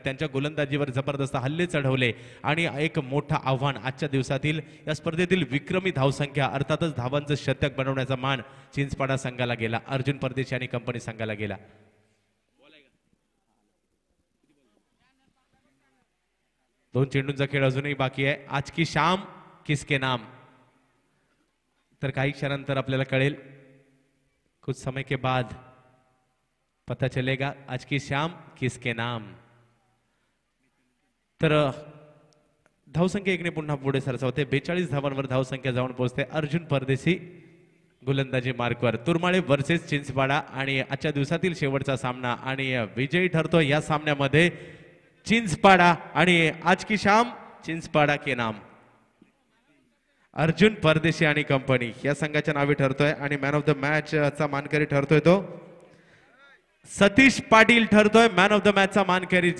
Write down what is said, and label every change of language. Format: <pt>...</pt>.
<mr>त्यांच्या गोलंदाजीवर जबरदस्त हल्ले चढवले आणि एक मोठं आव्हान आजच्या दिवसातील या स्पर्धेतील विक्रमी धावसंख्या अर्थातच धावांचं शतक बनवण्याचा मान चिंचपाडा संघाला गेला, अर्जुन परदेशी आणि कंपनी संघाला गेला. दोन चेंडूंचा खेळ अजूनही बाकी आहे.</mr> <hi>आज की शाम किसके नाम,</hi> <mr>तर काही क्षणांतर आपल्याला कळेल.</mr> <hi>कुछ समय के बाद पता चलेगा आज की शाम किसके नाम.</hi> <mr>तर धावसंख्या एकने पुन्हा पुढे सरसावते, 42 धावांवर धावसंख्या जाऊन पोहोचते अर्जुन परदेशी गोलंदाजी मार्गवर. तुरमाळे वर्सेस चिंचपाडा आणि आजच्या दिवसातील शेवटचा सामना आणि विजयी ठरतो या सामन्यामध्ये चिंचपाडा आणि</mr> <hi>आज की शाम चिंचपाडा के नाम</hi> <mr>अर्जुन परदेशी आणि कंपनी या संघाच्या नावे ठरतोय आणि मॅन ऑफ द मॅचचा मानकरी ठरतोय तो Satish Patil ठरतोय man of the मॅचचा मानकरी.</mr>